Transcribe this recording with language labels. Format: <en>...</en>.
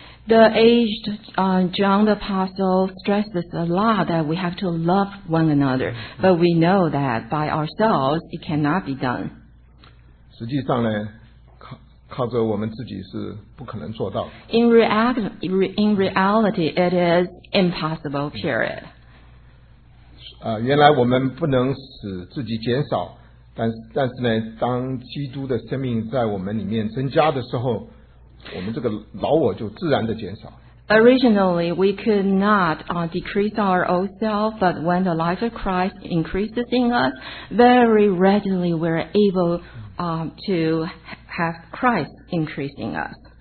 <en>The aged John the Apostle stresses a lot that we have to love one another, but we know that by ourselves it cannot be done.</en> <zh>实际上呢, 靠着我们自己是不可能做到。</zh> <en>In reality, it is impossible, period.</en> <zh>原来我们不能使自己减少, 但是呢, 当基督的生命在我们里面增加的时候, 我们这个老我就自然地减少。</zh> <en>Originally, we could not decrease our old self, but when the life of Christ increases in us, very readily we are able to have Christ increase in us.</en>